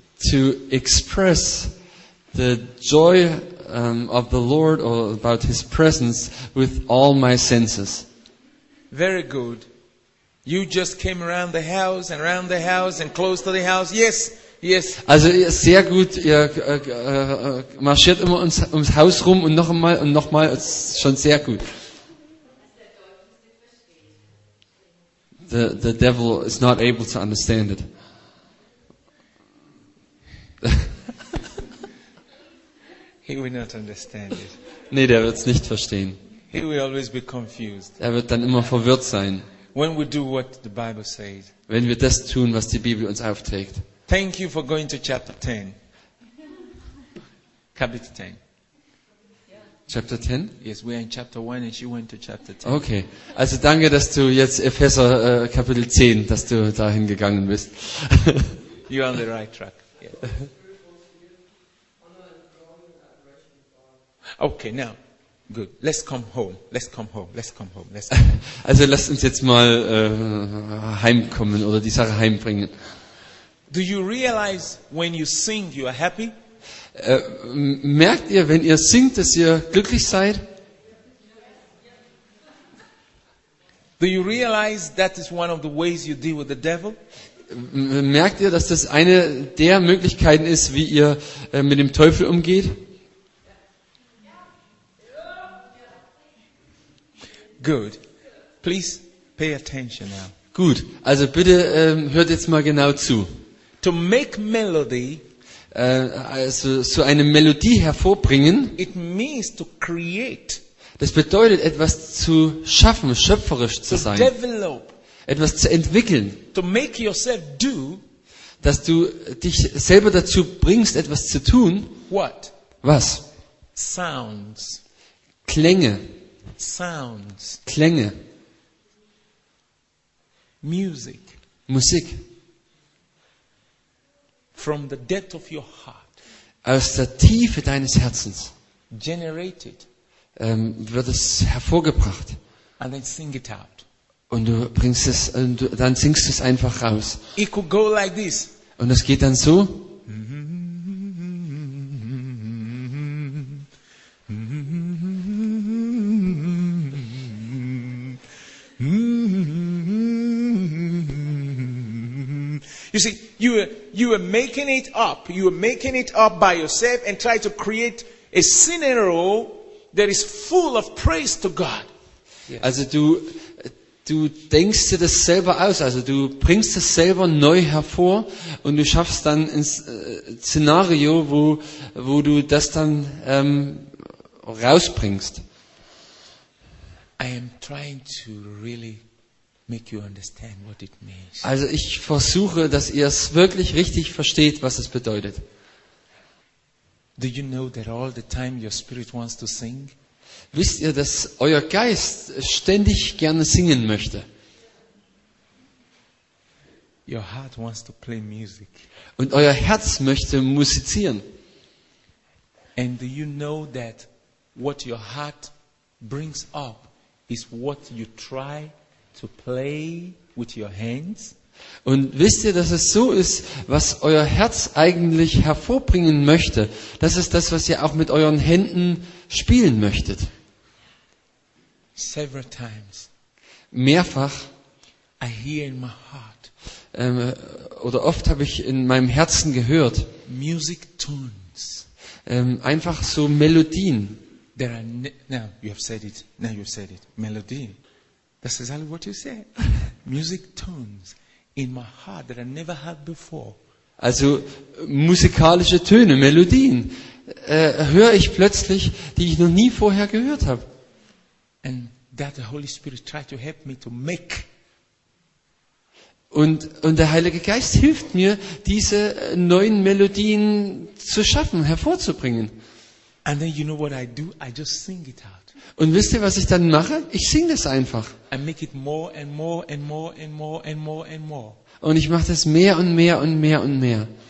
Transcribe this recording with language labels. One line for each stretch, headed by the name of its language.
English: To express the joy of the Lord or about His presence with all my senses. Very good. You just came around the house and around the house and close to the house. Yes. Yes.
German: Also sehr gut, ihr marschiert immer ums Haus rum und noch mal, schon sehr gut.
English: The devil is not able to understand it. He will not understand it.
German: Nee, der wird es nicht verstehen.
English: He will always be confused.
German: Er wird dann immer verwirrt sein.
English: When we do what the Bible says.
German: Wenn wir das tun, was die Bibel uns aufträgt.
English: Thank you for going to chapter 10. Chapter 10. Chapter 10? Yes, we are in chapter 1 and she went to chapter 10. Okay.
German: Also danke, dass du jetzt Epheser Kapitel 10, dass du dahin gegangen bist.
English: You're on the right track. Yeah. Okay, now. Good. Let's come home. Let's come home. Let's come home. Let's come.
German: Also lass uns jetzt mal heimkommen oder die Sache heimbringen.
English: Do you realize when you sing you are happy?
German: Merkt ihr, wenn ihr singt, dass ihr glücklich seid?
English: Do you realize that is one of the ways you deal with the devil?
German: Merkt ihr, dass das eine der Möglichkeiten ist, wie ihr mit dem Teufel umgeht?
English: Good. Please pay attention now.
German: Gut. Also bitte hört jetzt mal genau zu.
English: To make melody,
German: also so eine Melodie hervorbringen,
English: it means to create.
German: Das bedeutet, etwas zu schaffen, schöpferisch zu sein.
English: To develop,
German: etwas zu entwickeln.
English: To make yourself do,
German: dass du dich selber dazu bringst, etwas zu tun.
English: What?
German: Was?
English: Sounds.
German: Klänge.
English: Sounds.
German: Klänge.
English: Music.
German: Musik.
English: From the depth of your heart.
German: Aus der Tiefe deines Herzens.
English: Generated.
German: Wird es hervorgebracht.
English: And then sing it out.
German: Und du bringst es, und du, dann singst du es einfach raus.
English: It could go like this.
German: Und es geht dann so.
English: You see, you are making it up. You are making it up by yourself and try to create a scenario that is full of praise to God.
German: Yes. Also du du denkst dir das selber aus, also du bringst das selber neu hervor und du schaffst dann ein Szenario, wo du das dann rausbringst.
English: I am trying to really make you understand what it means.
German: Also ich versuche, dass ihr es wirklich richtig versteht, was es bedeutet.
English: Do you know that all the time your spirit wants to sing?
German: Wisst ihr, dass euer Geist ständig gerne singen möchte?
English: Your heart wants to play music.
German: Und euer Herz möchte musizieren.
English: And do you know that what your heart brings up is what you try to play with your hands?
German: Und wisst ihr, dass es so ist, was euer Herz eigentlich hervorbringen möchte? Das ist das, was ihr auch mit euren Händen spielen möchtet.
English: Several times.
German: Mehrfach.
English: I hear in my heart.
German: Oder oft habe ich in meinem Herzen gehört.
English: Music tunes.
German: Einfach so Melodien.
English: There are now you have said it. Now you have said it. Melody. That's exactly what you said. Music tunes in my heart that I never had before.
German: Also musikalische Töne, Melodien, höre ich plötzlich, die ich noch nie vorher gehört habe.
English: And that the Holy Spirit tried to help me to make.
German: Und der Heilige Geist hilft mir, diese neuen Melodien zu schaffen, hervorzubringen.
English: And then you know what I do? I just sing it out.
German: Und wisst ihr, was ich dann mache? Ich singe das einfach.
English: I make it more and more and more and more and more and more.
German: Und ich mache das mehr und mehr und mehr und mehr.